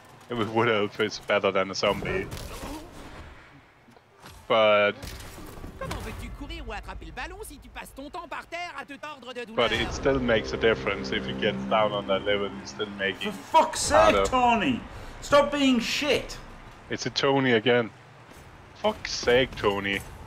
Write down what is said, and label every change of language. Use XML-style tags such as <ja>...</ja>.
<en>Every wood elf is better than a zombie. But...</en> <fr>Comment veux-tu courir ou attraper le ballon si tu passes ton temps par terre à te tordre de douleur?</fr> <en>But it still makes a difference if you get down on that level and still make it. For fuck's sake, Tony! Stop being shit! It's a Tony again. Fuck's sake, Tony.</en>